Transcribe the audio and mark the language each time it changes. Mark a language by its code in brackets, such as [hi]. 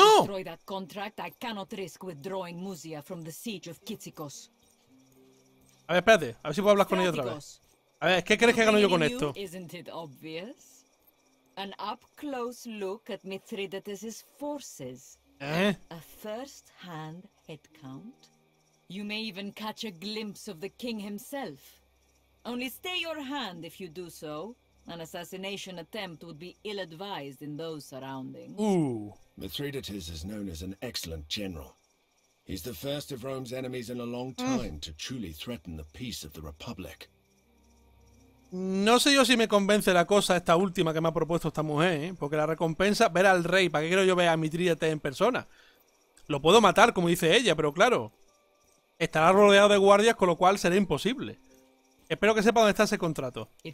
[en] Until you destroy that contract, I cannot risk withdrawing Musia from the siege of Kitsikos. [es] A ver, espérate. A ver si puedo hablar con ella otra vez. A ver, ¿qué crees que gano yo con esto? [en] Isn't it obvious? An up-close look at Mithridates' forces. A first-hand headcount. You may even catch a glimpse of the king himself. Only stay your hand if you do so. An assassination attempt would be ill-advised in those surroundings. Ooh. Mithridates is known as an excellent general. He's the first of Rome's enemies in a long time to truly threaten the peace of the Republic. [es] No sé yo si me convence la cosa esta última que me ha propuesto esta mujer, ¿eh? Porque la recompensa, ver al rey, ¿para qué quiero yo ver a Mithridates en persona? Lo puedo matar, como dice ella, pero claro, estará rodeado de guardias, con lo cual será imposible. Espero que sepa dónde está ese contrato.